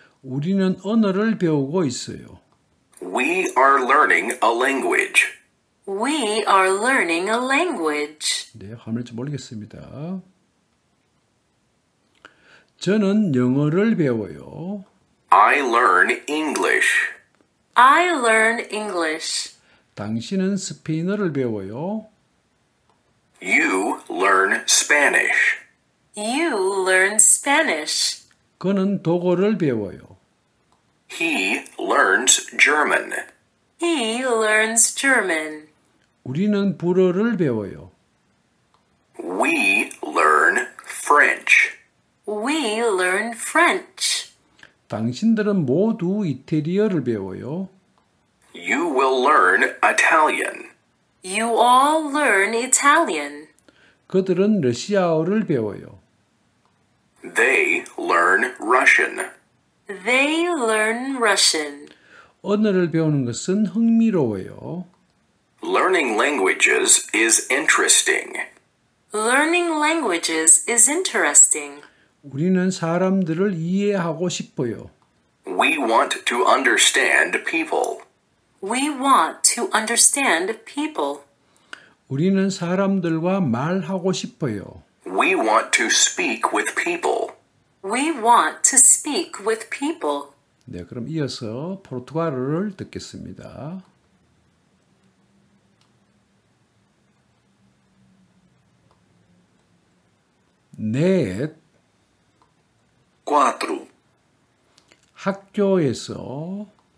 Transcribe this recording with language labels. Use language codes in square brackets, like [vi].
[ko] 우리는 언어를 배우고 있어요. [en] We are learning a language. We are learning a language. [ko] 네, 화면인지 모르겠습니다. 저는 영어를 배워요. [en] I learn English. I learn English. [ko] 당신은 스페인어를 배워요. [en] You learn Spanish. You learn Spanish. [ko] 그는 독어를 배워요. [en] He learns German. He learns German. [ko] 우리는 불어를 배워요. [en] We learn French. We learn French. [ko] 당신들은 모두 이태리어를 배워요. [en] You will learn Italian. You all learn Italian. [ko] 그들은 러시아어를 배워요. [en] They learn Russian. They learn Russian. [ko] 언어를 배우는 것은 흥미로워요. [en] Learning languages is interesting. Learning languages is interesting. [ko] 우리는 사람들을 이해하고 싶어요. [en] We want to understand people. We want to understand people. [ko] 우리는 사람들과 말하고 싶어요. [en] We want to speak with people. We want to speak with people. [ko] 네, 그럼 이어서 포르투갈어를 듣겠습니다. 넷, [pt] Quatro. [ko] 학교에서,